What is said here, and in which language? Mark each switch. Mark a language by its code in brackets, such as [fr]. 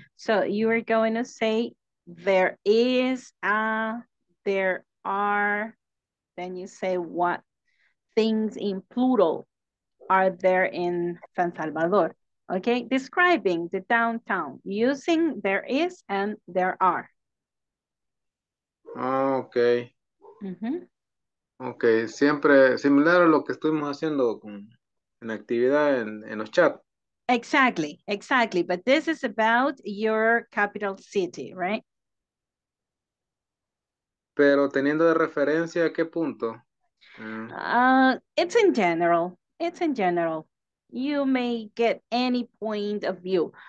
[en] So you are going to say there is a, there are, then you say what things in plural are there in San Salvador. Okay, describing the downtown using there is and there are. Okay. Mm-hmm. [es] Okay, siempre similar a lo que estuvimos haciendo con, en actividad en los chats. [en] Exactly, exactly. But this is about your capital city, right? [es] Pero teniendo de referencia, ¿qué punto? [en] It's in general. It's in general. You may get any point of view.